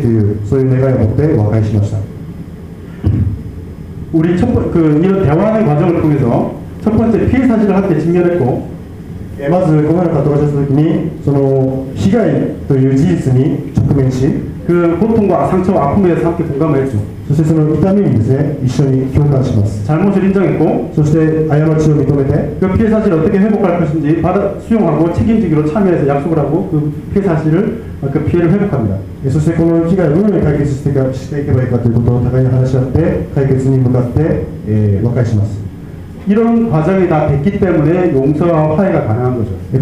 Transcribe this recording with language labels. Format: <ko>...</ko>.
<ja>むしろですね、その選手生命を奪われたラグビー選手の人は、まあ私はこれから大学に入って運動を続けることはできないけども、でもあなたはですね、もっともっとスポーツ選手として活躍してほしいという、そういう願いを持って和解しました。</ja> <ko>우리 첫번그 이런 대화의 과정을 통해서 첫 번째 피해 사실을 함께 증명했고,</ko> <ja>まずこのような方がいた時に、その被害という事実に直面し、</ja> <ko>그 고통과 상처와 아픔에서 함께 공감을 했죠.</ko> <ja>そしてその痛みにですね、一緒に共感します。</ja> <ko>잘못을 인정했고,</ko> <ja>そして過ちを認めて、</ja> <ko>그 피해 사실을 어떻게 회복할 것인지 받아 수용하고 책임지기로 참여해서 약속을 하고 그 피해 사실을 그 피해를 회복합니다.</ko> <ja>そしてこの被害をどのように解決していけばいいかということを互いに話し合って解決に向かって和解します。</ja> <ko>이런 과정이 다 됐기 때문에 용서와 화해가 가능한 거죠.</ko>